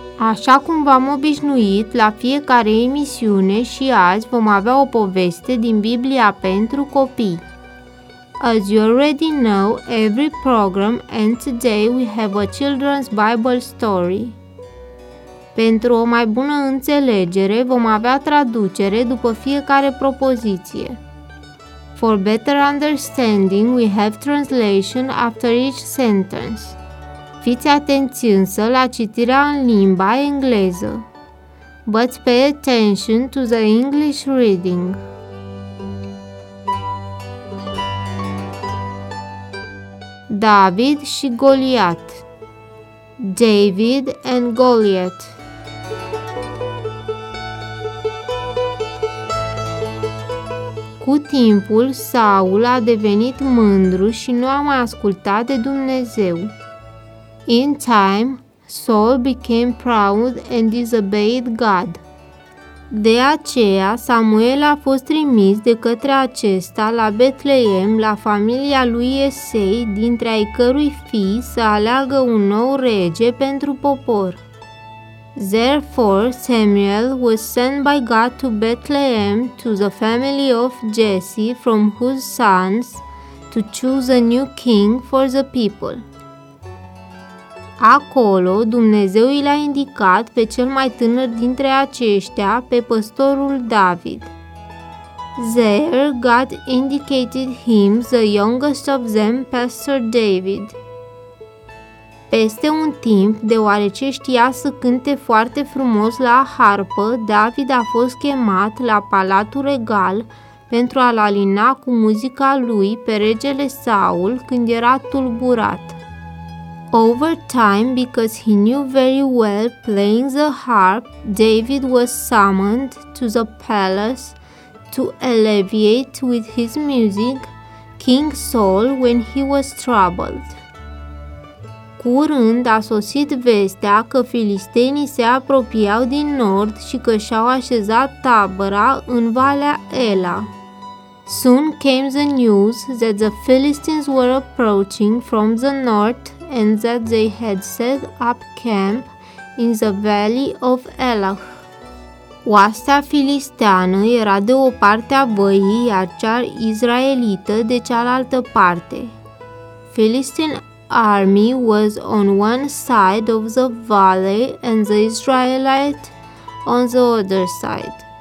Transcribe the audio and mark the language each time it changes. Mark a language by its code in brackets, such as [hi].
[ro] Așa cum v-am obișnuit, la fiecare emisiune și azi vom avea o poveste din Biblia pentru copii. [en] As you already know, every program and today we have a children's Bible story. [ro] Pentru o mai bună înțelegere, vom avea traducere după fiecare propoziție. [en] For better understanding, we have translation after each sentence. [ro] Fiți atenți însă la citirea în limba engleză. [en] But pay attention to the English reading. [ro] David și Goliat. [en] David and Goliath. [ro] Cu timpul, Saul a devenit mândru și nu a mai ascultat de Dumnezeu. [en] In time, Saul became proud and disobeyed God. [ro] De aceea, Samuel a fost trimis de către acesta la Betleem, la familia lui Isei, dintre ai cărui fii să aleagă un nou rege pentru popor. [en] Therefore, Samuel was sent by God to Bethlehem to the family of Jesse from whose sons to choose a new king for the people. [ro] Acolo, Dumnezeu i l-a indicat pe cel mai tânăr dintre aceștia, pe păstorul David. [en] There, God indicated him, the youngest of them, Pastor David. [ro] Peste un timp, deoarece știa să cânte foarte frumos la harpă, David a fost chemat la Palatul Regal pentru a-l alina cu muzica lui pe regele Saul când era tulburat. [en] Over time, because he knew very well playing the harp, David was summoned to the palace to alleviate with his music King Saul when he was troubled. [ro] Curând a sosit vestea că filistenii se apropiau din nord și că și-au așezat tabăra în Valea Ela. [en] Soon came the news that the Philistines were approaching from the north and that they had set up camp in the valley of Elah. [ro] Oastea filisteană era de o parte a văii, iar cea izraelită de cealaltă parte. [en] Philistine army was on one side of the valley and the Israelite on the other side.